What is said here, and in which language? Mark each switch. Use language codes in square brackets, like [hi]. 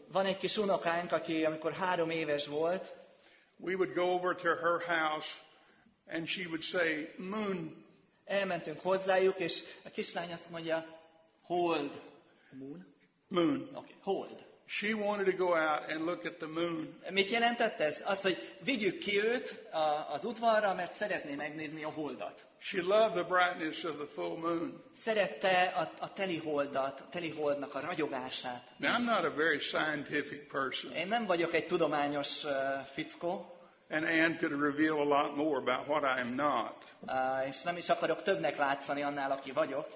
[hu] Van egy kis unokánk, aki amikor 3 éves volt. [en] We would go over to her house and she would say, Moon. [hu] Elmentünk hozzájuk, és a kislány azt mondja, Hold. [en] Moon? Moon. [hu] Okay, Hold. [en] She wanted to go out and look at the moon. [hu] Mit jelentett ez? Az, hogy vigyük ki őt az udvarra, mert szeretné megnézni a holdat. [en] She loved the brightness of the full moon. [hu] Szerette a teli holdat, a teli holdnak a ragyogását. [en] Now, I'm not a very scientific person. [hu] Én nem vagyok egy tudományos fickó. [en] And Anne could reveal a lot more about what I am not. [hu] És nem is akarok többnek látszani annál, aki vagyok.